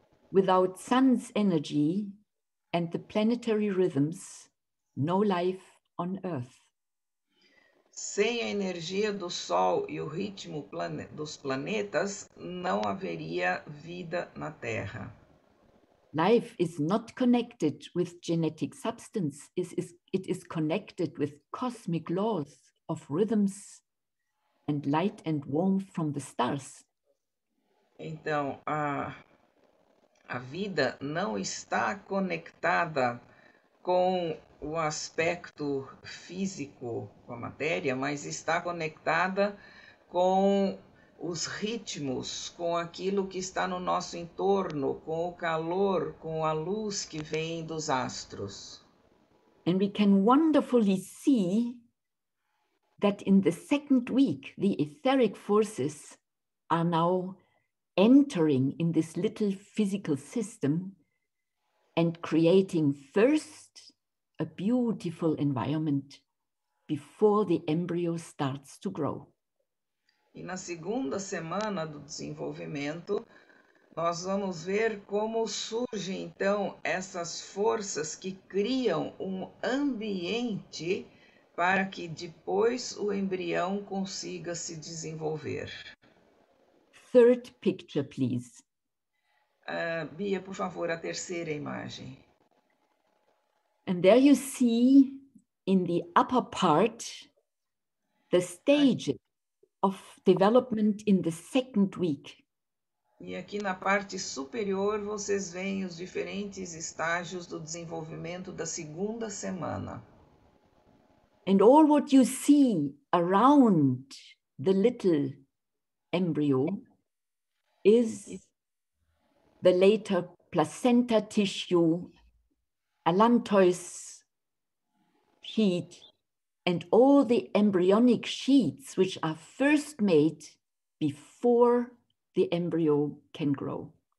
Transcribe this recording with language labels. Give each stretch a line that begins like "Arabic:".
English: Without sun's energy and the planetary rhythms, no life on earth.
Portuguese: Sem a energia do Sol e o ritmo dos planetas, não haveria vida na Terra.
English: Life is not connected with genetic substance, it is connected with cosmic laws of rhythms and light and warmth from the stars.
Portuguese: Então, a vida não está conectada com o aspecto físico com a matéria, mas está conectada com os ritmos, com aquilo que está no nosso entorno, com o calor, com a luz que vem dos astros.
English: And we can wonderfully see that in the second week, the etheric forces are now entering in this little physical system and creating first a beautiful environment before the embryo starts to grow.
Portuguese: E na segunda semana do desenvolvimento, nós vamos ver como surgem, então, essas forças que criam um ambiente para que depois o embrião consiga se desenvolver.
English: Third picture, please.
Portuguese: Bia, por favor, a terceira imagem.
English: And there you see, in the upper part, the stages of development in the second week.
Portuguese: E aqui na parte superior, vocês veem os diferentes estágios do desenvolvimento da segunda semana.
English: And all what you see around the little embryo is the later placenta tissue, allantois sheath, and all the embryonic sheaths which are first made before the embryo can grow.